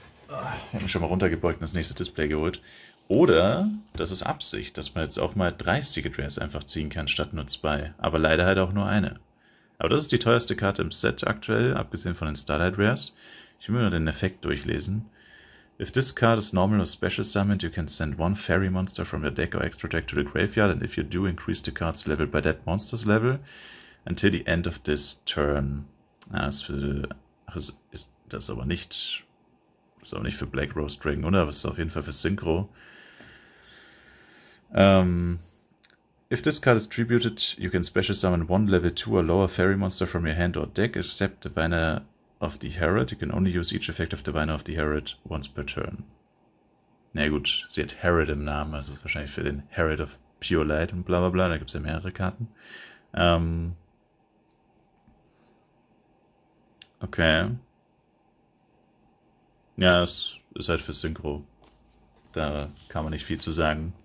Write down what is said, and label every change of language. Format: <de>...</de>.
<de>Ich habe mich schon mal runtergebeugt und das nächste Display geholt. Oder das ist Absicht, dass man jetzt auch mal 3 Secret Rares einfach ziehen kann statt nur 2. Aber leider halt auch nur eine. Aber das ist die teuerste Karte im Set aktuell, abgesehen von den Starlight Rares. Ich will mir den Effekt durchlesen.</de> <en>If this card is normal or special summoned, you can send one fairy monster from your deck or extra deck to the graveyard, and if you do, increase the card's level by that monster's level until the end of this turn.</en> <de>Das ist aber nicht für Black Rose Dragon, oder? Das ist auf jeden Fall für Synchro.</de> <en>If this card is tributed, you can special summon one level 2 or lower fairy monster from your hand or deck, except the Banner of the Herald. You can only use each effect of Diviner of the Herald once per turn.</en> <de>Na gut, sie hat Herald im Namen, also ist wahrscheinlich für den Herald of Pure Light und bla bla bla, da gibt es ja mehrere Karten. Okay. Ja, es ist halt für Synchro. Da kann man nicht viel zu sagen.</de>